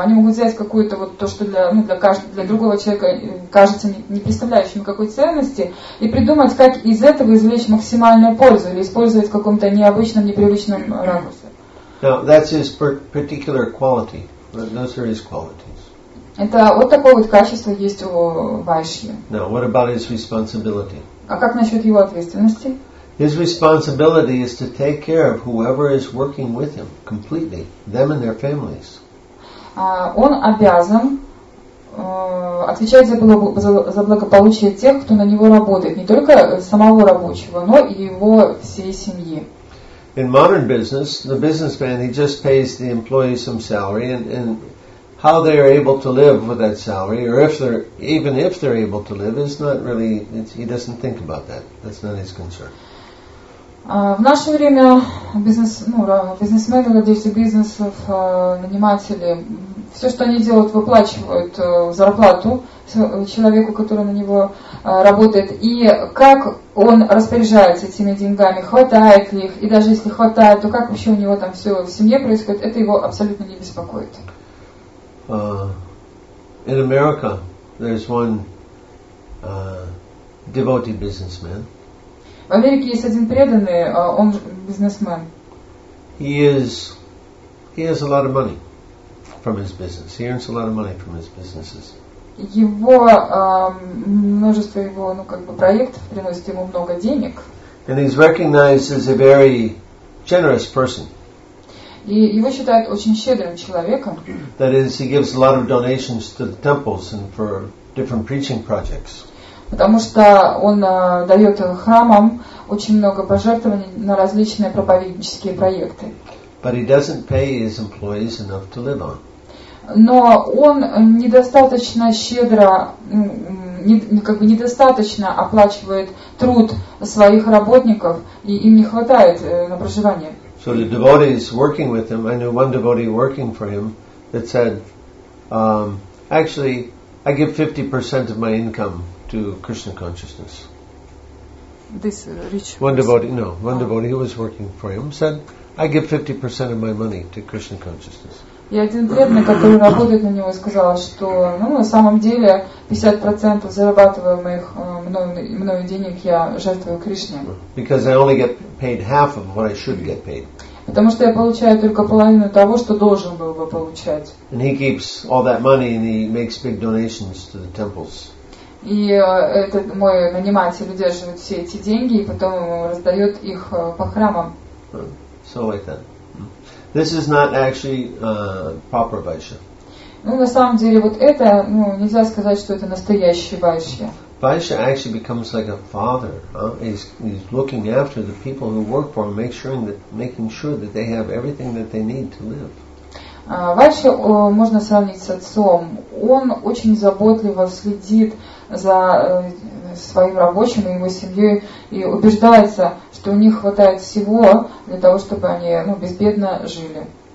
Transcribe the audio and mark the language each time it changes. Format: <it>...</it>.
<ru>Они могут взять какое-то то, что для другого человека кажется не представляющим никакой ценности, и придумать, как из этого извлечь максимальную пользу или использовать в каком-то необычном, непривычном ракурсе.</ru> <en>Now, that's his particular quality. Those are his qualities.</en> <ru>Это вот такое вот качество есть у вайши.</ru> <en>Now, what about his responsibility?</en> <ru>А как насчет его ответственности?</ru> <en>His responsibility is to take care of whoever is working with him completely, them and their families.</en> <ru>он обязан отвечать за благополучие тех, кто на него работает, не только самого рабочего, но и его всей семьи.</ru> <en>In modern business, the businessman, he just pays the employee some salary, and how they are able to live with that salary, or if they're able to live, is not really, he doesn't think about that. That's not his concern.</en> <ru>В наше время бизнесмены, владельцы бизнесов, наниматели, все, что они делают, выплачивают зарплату человеку, который на него работает, и как он распоряжается этими деньгами, хватает ли их, и даже если хватает, то как вообще у него там все в семье происходит, это его абсолютно не беспокоит.</ru> <en>In America, there's one devoted businessman.</en> <ru>В Америке есть один преданный, он бизнесмен.</ru> <en>He has a lot of money from his business. He earns a lot of money from his businesses.</en> <ru>Его множество его, ну как бы проектов приносит ему много денег.</ru> <en>And he's recognized as a very generous person.</en> <ru>И его считают очень щедрым человеком.</ru> <en>That is, he gives a lot of donations to the temples and for different preaching projects.</en> <ru>Потому что он дает храмам очень много пожертвований на различные проповеднические проекты.</ru> <en>But he doesn't pay his employees enough to live on.</en> <ru>Но он недостаточно щедро, как бы недостаточно оплачивает труд своих работников, и им не хватает на проживание.</ru> <en>So the devotees working with him, I knew one devotee working for him that said, actually, I give 50% of my income to Krishna consciousness. This rich person. One devotee who was working for him said, I give 50% of my money to Krishna consciousness.</en> <ru>И один преданный, который работает на него, сказал, что ну, на самом деле 50% зарабатываемых мною денег я жертвую Кришне.</ru> <en>Because I only get paid half of what I should get paid.</en> <ru>Потому что я получаю только половину того, что должен был бы получать.</ru> <en>And he keeps all that money and he makes big donations to the temples.</en> <ru>И этот мой наниматель удерживает все эти деньги и потом раздает их по храмам.</ru> <en>So like that. This is not actually proper Vaishya.</en> <ru>Ну, на самом деле, вот это, ну, нельзя сказать, что это настоящий Vaishya.</ru> <en>Vaishya actually becomes like a father. He's looking after the people who work for him, making sure that they have everything that they need to live.</en> <ru>Vaishya можно сравнить с отцом. Он очень заботливо следит за своим рабочим и его семьей и убеждается, что у них хватает всего для того, чтобы они ну, безбедно жили.</ru>